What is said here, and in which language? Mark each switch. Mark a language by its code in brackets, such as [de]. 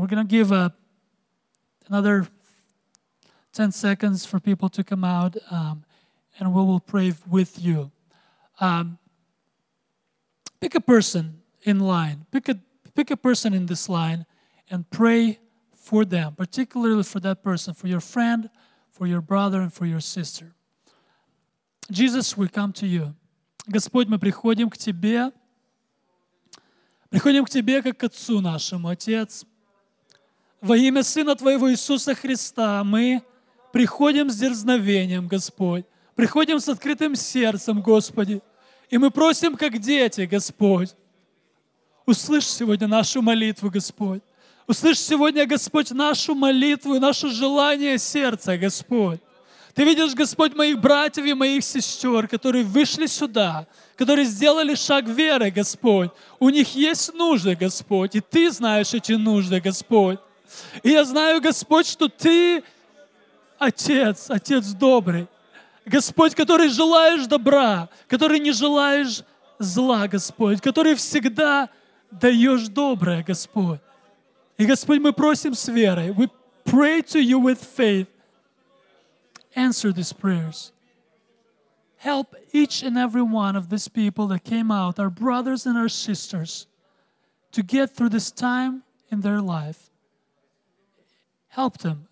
[en] We're going to give another 10 seconds for people to come out, and we will pray with you. Pick a person in line. Pick a person in this line and pray for them, particularly for that person, for your friend, for your brother, and for your sister. Jesus, we come to you. [ru] Господь, мы приходим к Тебе, как к Отцу нашему, Отец. Во имя Сына Твоего Иисуса Христа мы приходим с дерзновением, Господь, приходим с открытым сердцем, Господи, и мы просим, как дети, Господь, услышь сегодня нашу молитву, Господь, услышь сегодня, Господь, нашу молитву и наше желание сердца, Господь. Ты видишь, Господь, моих братьев и моих сестер, которые вышли сюда, которые сделали шаг веры, Господь. У них есть нужды, Господь, и Ты знаешь эти нужды, Господь. И я знаю, Господь, что Ты Отец, Отец добрый, Господь, который желаешь добра, который не желаешь зла, Господь, который всегда даешь доброе, Господь. И, Господь, мы просим с верой, [en] we pray to you with faith, answer these prayers. Help each and every one of these people that came out, our brothers and our sisters, to get through this time in their life. Help them.